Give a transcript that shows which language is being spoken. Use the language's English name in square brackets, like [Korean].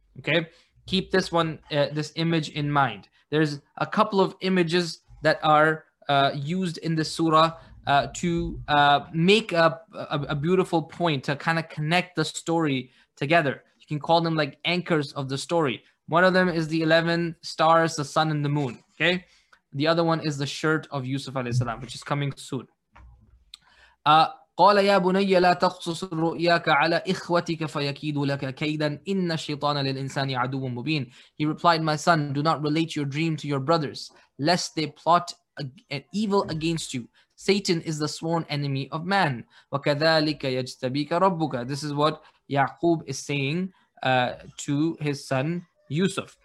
[English] Okay, keep this one, this image in mind. There's a couple of images that are used in the surah to make a beautiful point, to kind of connect the story together. You can call them like anchors of the story. One of them is the 11 stars, the sun and the moon. Okay, the other one is the shirt of Yusuf alayhi salam, which is coming soon. [Arabic] قال يا بني لا تقصص رؤياك على إخوتك فيكيد لك كيدا إن الشيطان للإنسان عدو مبين. [English] He replied, my son, do not relate your dream to your brothers, lest they plot an evil against you. Satan is the sworn enemy of man. [Arabic] وكذلك يجتبيك ربك. [English] This is what Yaqub is saying to his son Yusuf.